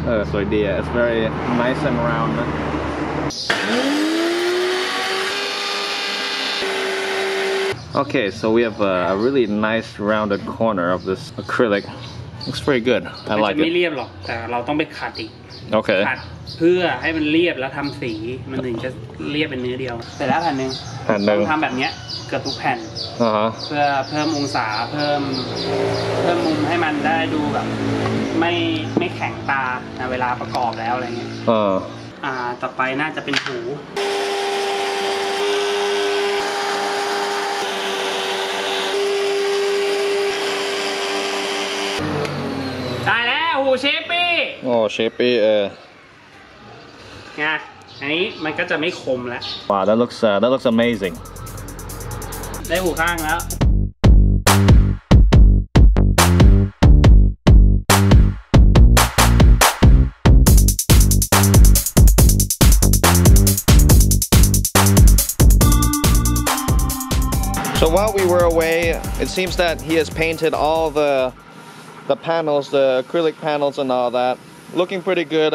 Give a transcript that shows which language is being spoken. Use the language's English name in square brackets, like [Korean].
[English] So yeah, it's very nice and round. Okay, so we have a really nice rounded corner of this acrylic. Looks very good. I like it. [Thai] ไม่เรียบหรอกแต่เราต้องไปขัดอีก [English] Okay. [Thai] เพื่อให้มันเรียบแล้วทำสีมันถึงจะเรียบเป็นเนื้อเดียวเสร็จแล้วแผ่นหนึ่งทำแบบเนี้ยเกือบทุกแผ่นเพื่อเพิ่มองศาเพิ่มมุมให้มันได้ดูแบบไม่แข็งตาเวลาประกอบแล้วอะไรเงี้ยต่อไปน่าจะเป็นหูได้แล้วหูเชปปี้ อ๋อเชปปี้ ไงอันนี้มันก็จะไม่คมแล้ว [English] ว้าว that looks amazing [Thai] ได้หูข้างแล้ว [English] So while we were away, it seems that he has painted all the panels, the acrylic panels and all that. Looking pretty good.